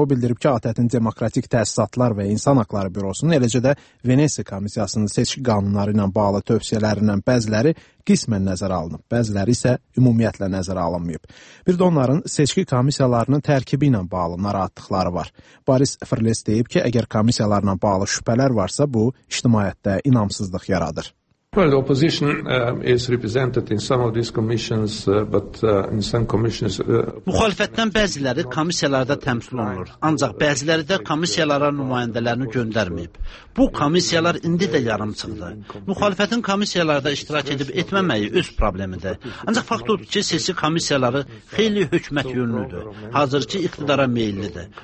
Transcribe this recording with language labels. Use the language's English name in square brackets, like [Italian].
[Azerbaijani] O bildirib ki, ATƏT-in Demokratik Təsisatlar və İnsan Haqları Bürosunun, eləcə də Venesiya Komissiyasının seçki qanunları ilə bağlı tövsiyələrindən bəziləri qismən nəzərə alınıb, bəziləri isə ümumiyyətlə nəzərə alınmayıb. Bir də onların seçki komissiyalarının tərkibi ilə bağlı narahatlıqları var. Boris Frlets deyib ki, əgər komissiyalarla bağlı şübhələr varsa, bu, ictimaiyyətdə inamsızlıq yaradır. [English] Well, the opposition is represented in some of these commissions, but in some commissions... [Azerbaijani] Müxalifətdən bəziləri komissiyalarda təmsil olunur, ancaq bəziləri də komissiyalara nümayəndələrini göndərməyib. Bu komissiyalar indi də yarımçıqdır. Müxalifətin komissiyalarda iştirak edib etməməyi öz problemidir. Ancaq fakt odur ki, seçki komissiyaları xeyli hökumət yönlüdür, hazır ki, iqtidara meyillidir.